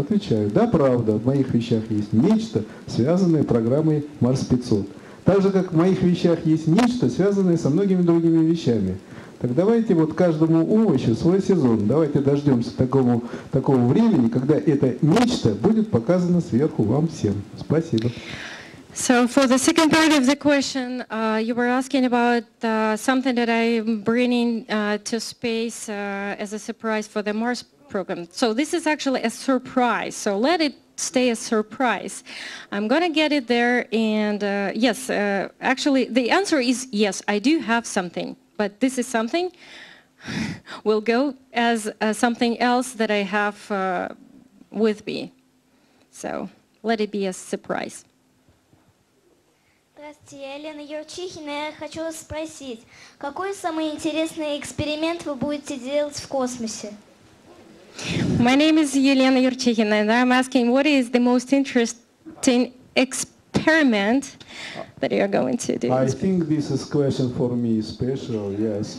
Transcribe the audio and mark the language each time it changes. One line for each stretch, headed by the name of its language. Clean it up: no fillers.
Russian: Отвечаю, да, правда, в моих вещах есть нечто, связанное с программой Марс-500. Так же, как в моих вещах есть нечто, связанное со многими другими вещами. Так давайте вот каждому овощу свой сезон, давайте дождемся такого времени, когда это нечто будет показано сверху вам всем. Спасибо.
English: So for the second part of the question, you were asking about something that I'm bringing to space as a surprise for the Mars program. So this is actually a surprise. So let it stay a surprise. I'm going to get it there. And actually, the answer is yes, I do have something. But this is something will go as something else that I have with me. So let it be a surprise.
Russian: Здравствуйте, Елена Юрчихина. Я хочу вас спросить, какой самый интересный эксперимент вы будете делать в космосе?
English: My name is Елена Юрчихина, and I'm asking, what is the most interesting experiment that you're going to do? I think this is question for me special, yes.